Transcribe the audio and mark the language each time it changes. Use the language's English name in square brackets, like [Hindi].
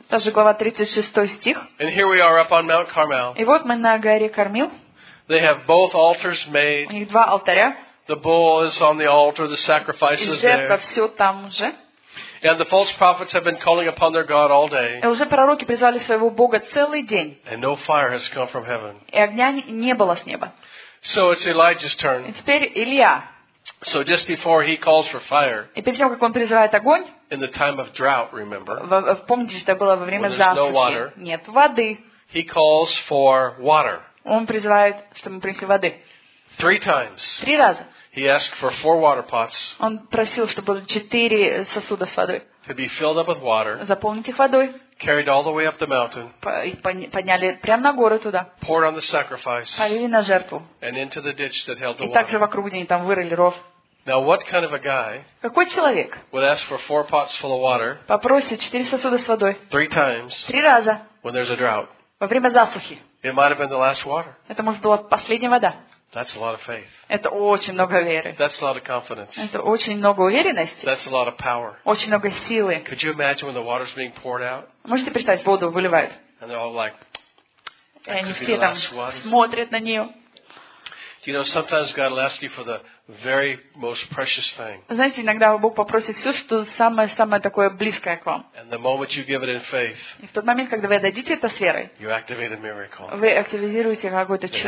[Russian] Тоже глава 36 стих. [English] And here we are up on Mount Carmel. [Russian] И вот мы на горе Кармил. [English] They have both altars made. [Russian] У них два алтаря. [English] The bull is on the altar, the sacrifice is there. [Russian] И жертва все там же. [English] And the false prophets have been calling upon their God all day. [Russian] И уже пророки призвали своего Бога целый день. [English] And no fire has come from heaven. [Russian] И огня не было с неба. [English] So it's Elijah's turn. [Russian] И теперь Илия. [English] So just before he calls for fire. [Russian] И перед тем, как он призывает огонь. [English] In the time of drought, remember. [Russian] Помните, что было во время засухи. [English] When there's no water. [Russian] Нет воды. [English] He calls for water. [Russian] Он призывает, чтобы мы принесли воды. [English] Three times. [Russian] Три раза. [English] He asked for four water pots. [Russian] Он просил, чтобы было четыре сосуда с водой. [English] To be filled up with water. [Russian] Заполнить их водой. [English] Carried all the way up the mountain. [Russian] Подняли прямо на горы туда. [English] Poured on the sacrifice. [Russian] Полили на жертву. [English] And into the ditch that held the water. [Russian] И также вокруг них там вырыли ров. [English] Now what kind of a guy? [Russian] Какой человек? [English] Would ask for four pots full of water. [Russian] Попросит четыре сосуда с водой. [English] Three times. [Russian] Три раза. [English] When there's a drought. [Russian] Во время засухи. [English] It might have been the last water. [Russian] Это может была последняя вода. [English] That's a lot of faith. [Russian] Это очень много веры. [English] That's a lot of confidence. [Russian] Это очень много уверенности. [English] That's a lot of power. [Russian] Очень много силы. [English] Could you imagine when the water's being poured out? [Russian] Можете представить, воду выливают. [English] And they're all like, [Russian] и они все там смотрят на нее. [English] You know, sometimes God will ask you for the very most precious thing. [Russian] Знаете, иногда Бог попросит все, что самое-самое такое близкое к вам. [English] And the moment you give it in faith, [Russian] и в тот момент, когда вы отдадите это с верой, [English] you activate a miracle. [Russian] Вы активизируете какое-то чудо.